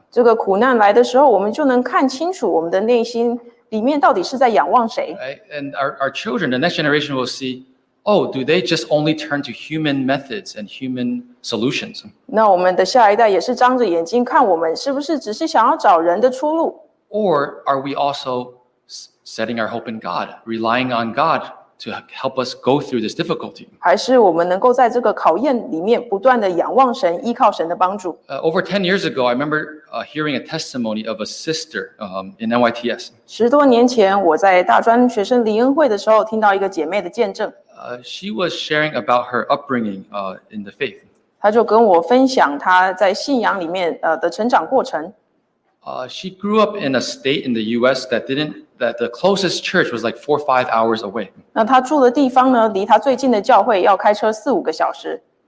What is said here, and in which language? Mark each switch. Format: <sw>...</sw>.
<zh>这个苦难来的时候，我们就能看清楚我们的内心里面到底是在仰望谁。</zh> <en>And our children, the next generation will see, oh, do they just only turn to human methods and human solutions?</en> <zh>那我们的下一代也是张着眼睛看我们是不是只是想要找人的出路。</zh> <en>Or are we also setting our hope in God, relying on God to help us go through this difficulty.</en> <zh>还是我们能够在这个考验里面不断的仰望神，依靠神的帮助。</zh> <en>Over 10 years ago, I remember hearing a testimony of a sister in NYTS.</en> <zh>十多年前，我在大专学生联恩会的时候，听到一个姐妹的见证。</zh> <en>She was sharing about her upbringing in the faith.</en> <zh>她就跟我分享她在信仰里面的成长过程。</zh> <en>She grew up in a state in the U.S. that the closest church was like 4 or 5 hours away.</en> <zh>那她住的地方呢？离她最近的教会要开车4-5个小时。</zh>